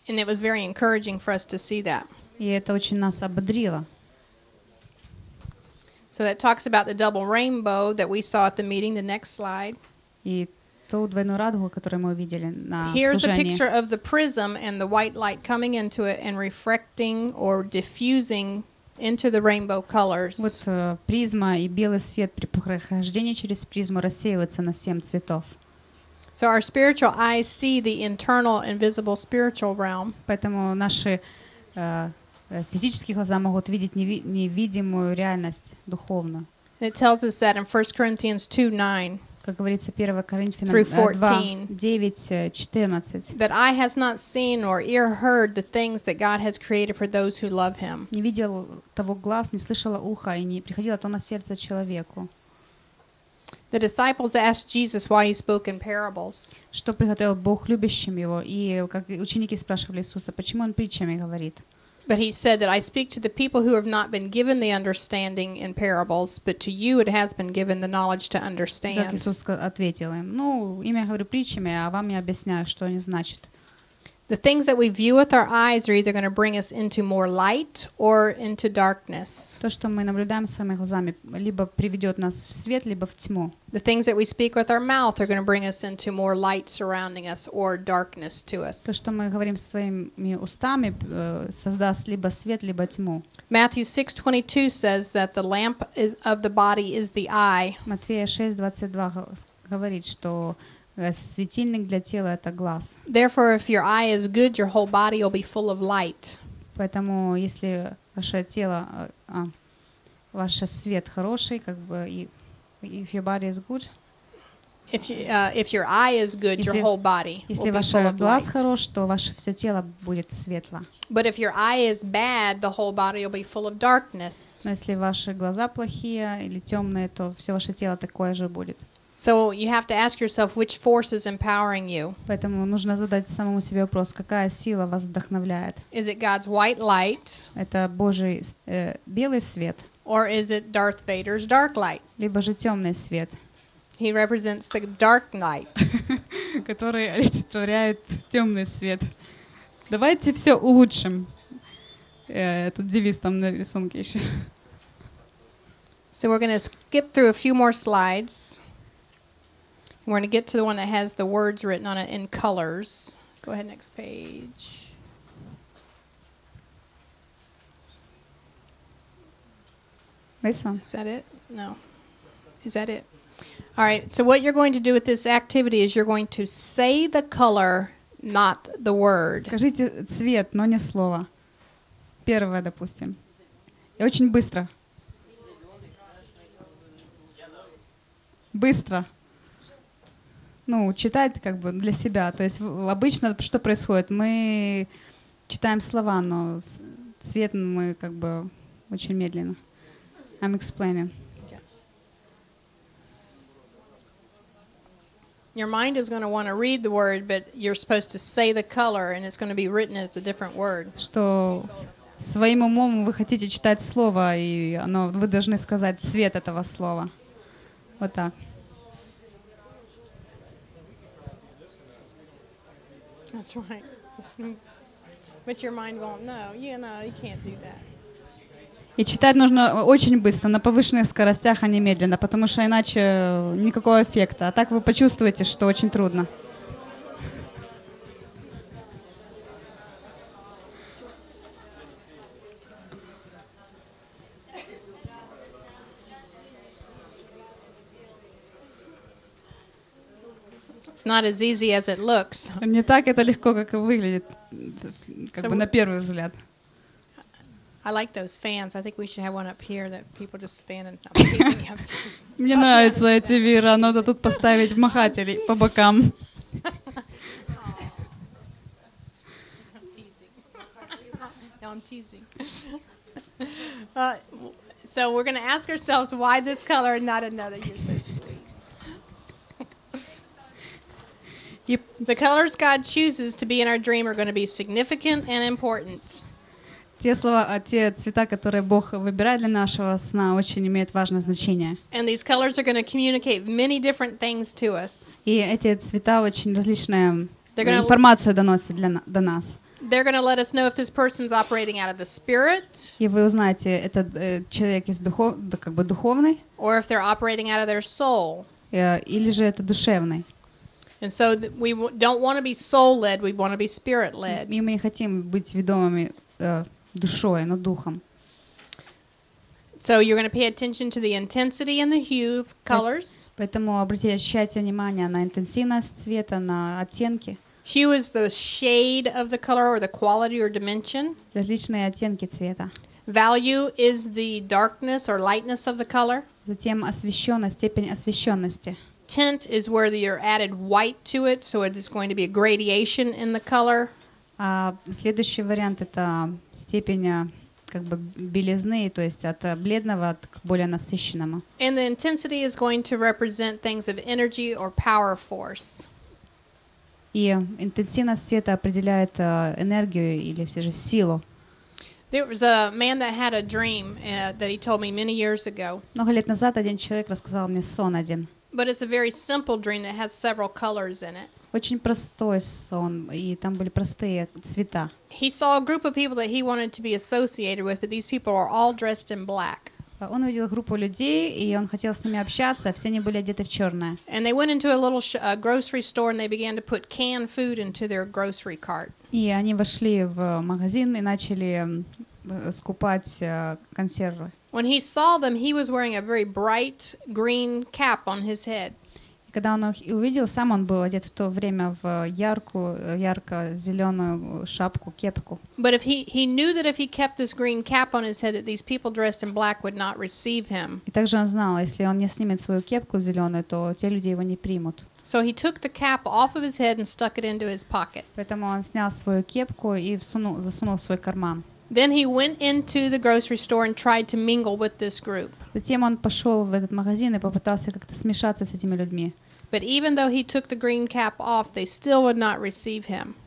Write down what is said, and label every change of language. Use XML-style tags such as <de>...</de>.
<en>And it was very encouraging for us to see that.</en> <ru>И это очень нас ободрило.</ru> <en>So that talks about the double rainbow that we saw at the meeting. The next slide.</en> <ru>И ту двойную радугу, которую мы увидели на служении.</ru> <en>Here's a picture of the prism and the white light coming into it and refracting or diffusing into the rainbow colors.</en> <ru>Вот призма и белый свет при прохождении через призму рассеивается на семь цветов.</ru> <en>So our spiritual eyes see the internal invisible spiritual realm.</en> <ru>Поэтому наши физические глаза могут видеть невидимую реальность духовную.</ru> <en>It tells us that in 1 Corinthians 2:9.</en> <ru>Как говорится, 1 Коринфянам 2:9-14.</ru> <en>That eye has not seen or ear heard the things that God has created for those who love him.</en> <ru>Не видел того глаз, не слышало ухо и не приходило то на сердце человеку.</ru> <en>The disciples asked Jesus why he spoke in parables.</en> <ru>Что приготовил Бог любящим его, и как ученики спрашивали Иисуса, почему он притчами говорит?</ru> <en>But he said that I speak to the people who have not been given the understanding in parables, but to you it has been given the knowledge to understand.</en> <ru>Так Иисус ответил им. Ну, им я говорю притчами, а вам я объясняю, что они значат.</ru> <en>The things that we view with our eyes are either going to bring us into more light or into darkness.</en> <ru>То, что мы наблюдаем своими глазами, либо приведет нас в свет, либо в тьму.</ru> <en>The things that we speak with our mouth are going to bring us into more light surrounding us or darkness to us.</en> <ru>То, что мы говорим своими устами, создаст либо свет, либо тьму.</ru> <en>Matthew 6:22 says that the lamp is of the body is the eye.</en> <ru>Матфея 6:22 говорит, что светильник для тела — это глаз.</ru> <en>Therefore, if your eye is good, your whole body will be full of light.</en> <ru>Поэтому, если ваше тело, ваше свет хороший, как бы,</ru> <en>if your body is good. If your eye is good, your whole body will be full of light.</en> <ru>Если ваш глаз хорош, то ваше все тело будет светло.</ru> <en>But if your eye is bad, the whole body will be full of darkness.</en> <ru>Но если ваши глаза плохие или темные, то все ваше тело такое же будет.</ru> <en>So you have to ask yourself which force is empowering you.</en> <ru>Поэтому нужно задать самому себе вопрос, какая сила вас вдохновляет?</ru> <en>Is it God's white light?</en> <ru>Это Божий белый свет.</ru> <en>Or is it Darth Vader's dark light?</en> <ru>Либо же темный свет. He represents the dark night. Который олицетворяет темный свет. Давайте все улучшим. Этот девиз там на рисунке еще.</ru> <en>So we're going to skip through a few more slides. We're going to get to the one that has the words written on it in colors. Go ahead, next page. This one. Is that it? No. Is that it? All right. So what you're going to do with this activity is you're going to say the color, not the word.</en> <ru>Скажите цвет, но не слово. Первое, допустим. И очень быстро. Быстро. Ну, читать как бы для себя. То есть обычно что происходит? Мы читаем слова, но цвет мы как бы очень медленно.</ru> <en>I'm explaining. Your mind is going to want to read the word, but you're supposed to say the color, and it's going to be written as a different word.</en> <ru>Что своим умом вы хотите читать слово, и оно, вы должны сказать цвет этого слова. Вот так.</ru> <en>That's right. But your mind won't know. Yeah, no, you can't do that.</en> <ru>И читать нужно очень быстро, на повышенных скоростях, а не медленно, потому что иначе никакого эффекта. А так вы почувствуете, что очень трудно.</ru> <en>It's not as easy as it looks.</en> <ru>Не так это легко, как и выглядит, как бы на первый взгляд.</ru> <en>I like those fans. I think we should have one up here that people just stand and facing him.</en> <ru>Мне нравятся эти вера, надо тут поставить махателей по бокам.</ru> <en>I'm teasing. So we're going to ask ourselves why this color and not another. You're so sweet. The colors God chooses to be in our dream are going to be significant and important.</en> <ru>Те слова, те цвета, которые Бог выбирает для нашего сна, очень имеют важное значение.</ru> <en>And these colors are going to communicate many different things to us.</en> <ru>И эти цвета очень различную информацию доносят до нас.</ru> <en>They're going to let us know if this person's operating out of the spirit.</en> <ru>И вы узнаете, этот человек из как бы духовный.</ru> <en>Or if they're operating out of their soul.</en> <ru>Или же это душевный.</ru> <en>And so we don't want to be soul led, we want to be spirit led.</en> <ru>Мы не хотим быть ведомыми душой, но духом.</ru> <en>So you're going to pay attention to the intensity and the hue of colors.</en> <ru>Поэтому обращайте внимание на интенсивность цвета, на оттенки.</ru> <en>Hue is the shade of the color or the quality or dimension.</en> <ru>Различные оттенки цвета.</ru> <en>Value is the darkness or lightness of the color.</en> <ru>Затем освещенность, степень освещенности.</ru> <en>Tint is where you're added white to it, so it's going to be a gradation in the color.</en> <ru>Следующий вариант – это степень как бы белизны, то есть от бледного к более насыщенному.</ru> <en>And the intensity is going to represent things of energy or power force.</en> <ru>И интенсивность света определяет энергию или все же силу.</ru> <en>There was a man that had a dream that he told me many years ago.</en> <ru>Много лет назад один человек рассказал мне сон один.</ru> <en>But it's a very simple dream that has several colors in it.</en> <ru>Очень простой сон, и там были простые цвета.</ru> <en>He saw a group of people that he wanted to be associated with, but these people are all dressed in black.</en> <ru>Он увидел группу людей, и он хотел с ними общаться, все они были одеты в черное.</ru> <en>And they went into a little grocery store and they began to put canned food into their grocery cart.</en> <ru>И они вошли в магазин и начали скупать консервы.</ru> <en>When he saw them, he was wearing a very bright green cap on his head.</en> <ru>Когда он их увидел, сам он был одет в то время в ярко-зеленую шапку, кепку.</ru> <en>But if he knew that if he kept this green cap on his head, that these people dressed in black would not receive him.</en> <ru>И также он знал, если он не снимет свою кепку зеленую, то те люди его не примут.</ru> <en>So he took the cap off of his head and stuck it into his pocket.</en> <ru>Поэтому он снял свою кепку и засунул в свой карман.</ru> <en>Then he went into the grocery store and tried to mingle with this group.</en> <ru>Затем он пошел в этот магазин и попытался как-то смешаться с этими людьми.</ru> <en>But even though he took the green cap off, they still would not receive him.</en>